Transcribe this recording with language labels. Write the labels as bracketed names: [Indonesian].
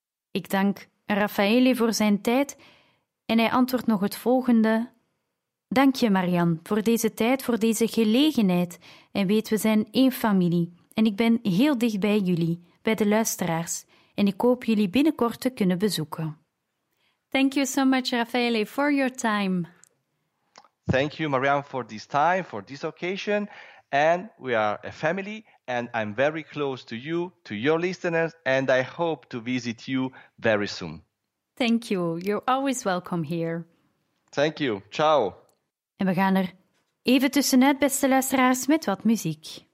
[Dutch] Ik dank Raffaele voor zijn tijd en hij antwoordt nog het volgende. Dank je, Marian, voor deze tijd, voor deze gelegenheid. En weet, we zijn één familie. En ik ben heel dicht bij jullie, bij de luisteraars. En ik hoop jullie binnenkort te kunnen bezoeken. [English] Thank you so much, Raffaele, for your time. Thank you, Marian, for this time, for this occasion. And we are a family, and I'm very close to you, to your listeners, and I hope to visit you very soon. Thank you. You're always welcome here. Thank you. Ciao. [Dutch] En we gaan er even tussenuit, beste luisteraars, met wat muziek.